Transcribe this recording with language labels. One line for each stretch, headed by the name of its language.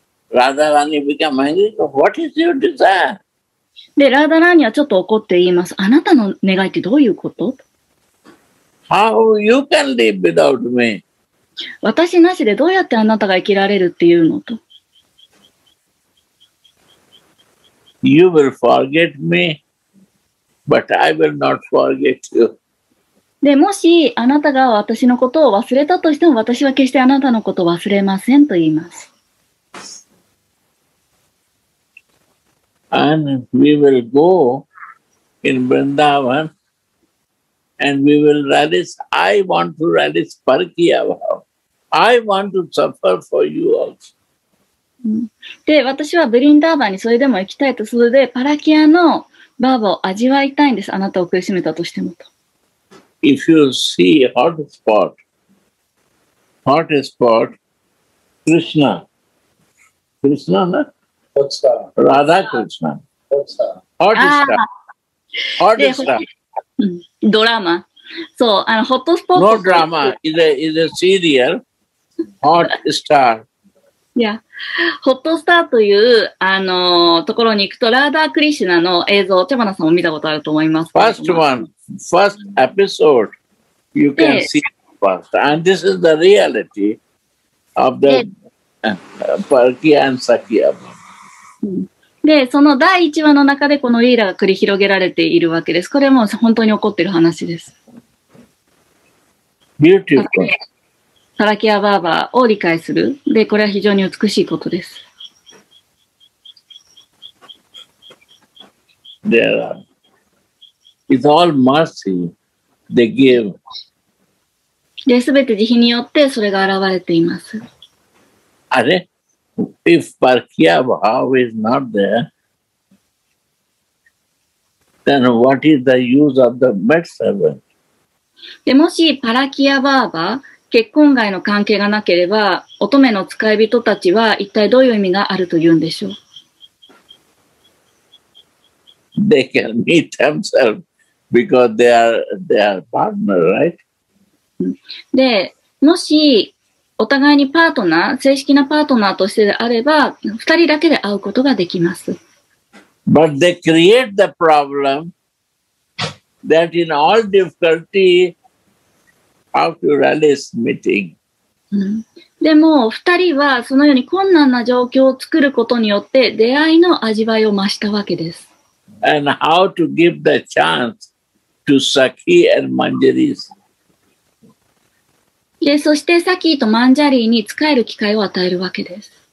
English: Radha Rani become angry. What is your desire?
Japanese: で、ラダラーニはちょっと怒って言います。あなたの願いってどういうこと?
English: How you can live without me?
Japanese: 私なしでどうやってあなたが生きられるっていうのと。
English: You will forget me, but I will not forget you.
Japanese: で、もしあなたが私のことを忘れたとしても、私は決してあなたのことを忘れませんと言います。
English: And we will go in Vrindavan, and we will relish, I want to relish Parkiya vow. I want to suffer for you also.
Japanese: で、私はブリンダーバーにそれでも行きたいと、それでパラキアのバーバを味わいたいんです。あなたを苦しめたとしてもと。
English: If you see hot spot, Krishna, Krishna, na? Radha Krishna, hot star.
Japanese: ドラマ。そう、ホットスポット。
English: No drama. Is a serial. Hot Star. Yeah.
Japanese: Hot Star という、ところに行くと、ラーダー・クリシュナの映像、チャバナさんも見たことあると思います。
English: First one, first episode, you can see first. And this is the reality of the Parkiya and Sakya.
Japanese: で、その第1話の中でこのリーダーが繰り広げられているわけです。これも本当に起こってる話です。サラキア・バーバーを理解する。で、これは非常に美しいことです。
English: It's all mercy they give.
Japanese: で、すべて慈悲によってそれが現れています。あれ？
English: If Parakya Bhava is not there, then what is the use of the maid servant?
Japanese: で、もしパラキアバーバ、結婚外の関係がなければ、乙女の使い人たちは一体どういう意味があるというんでしょう？
English: They can meet themselves because they are partner, right?
Japanese: で、もしお互いにパートナー、正式なパートナーとしてであれば、二人だけで会うことができます。
English: But they create the problem that in all difficulty of Uralis meeting.
Japanese: でも、二人はそのように困難な状況を作ることによって、出会いの味わいを増したわけです。
English: And how to give the chance to Sakhi and Manjari's?
Japanese: で、そしてサキーとマンジャリーに使える機会を与えるわけです。